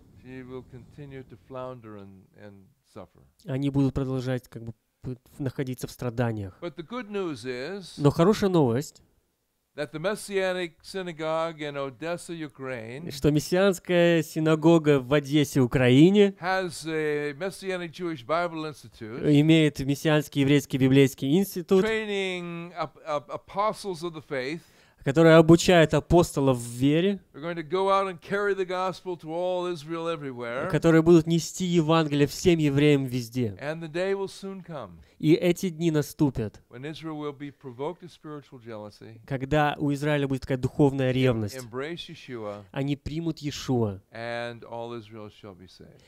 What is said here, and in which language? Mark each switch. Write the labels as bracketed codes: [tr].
[en] He will continue to flounder and suffer. [ru] Они будут продолжать как бы находиться в страданиях. [en] But the good news is. [ru] Но хорошая новость. [en] That the Messianic synagogue in Odessa, Ukraine, [ru] что мессианская синагога в Одессе, Украине, [en] has a Messianic Jewish Bible Institute, [ru] имеет мессианский еврейский библейский институт, [en] training apostles of the faith, [ru] которая обучает апостолов в вере, [en] we're going to go out and carry the gospel to all Israel everywhere, [ru] которые будут нести Евангелие всем евреям везде, [en] and the day will soon come. [ru] И эти дни наступят, [en] when Israel will be provoked to spiritual jealousy, [ru] когда у Израиля будет такая духовная ревность, [en] Yeshua, [ru] они примут Иешуа, [en] and all Israel shall be saved.